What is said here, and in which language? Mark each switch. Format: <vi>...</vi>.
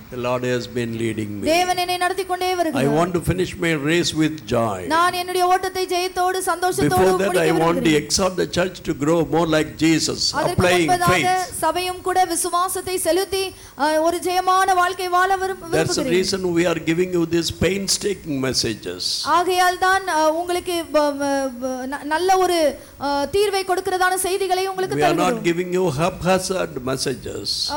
<en>the lord has been leading me</en> <ta>தேவன் என்னை நடத்தி கொண்டே வருகிறார்</ta> <en>I want to finish my race with joy</en> <ta>நான் என்னுடைய ஓட்டத்தை ஜெயத்தோடு சந்தோஷத்தோடு</ta> <en>before that I want to exhort the church to grow more like jesus applying faith</en> <ta>சபையும் கூட விசுவாசத்தை செலுத்தி ஒரு ஜெயமான வாழ்க்கை வாழ விரும்புகிறேன்</ta> <en>that's the reason we are giving you this painstaking messages</en> <ta>ஆகையால் தான் உங்களுக்கு நல்ல ஒரு தீர்வை கொடுக்கிறதான செய்திகளை உங்களுக்கு தருகிறோம்</ta> <en>we are not giving you haphazard messages</en>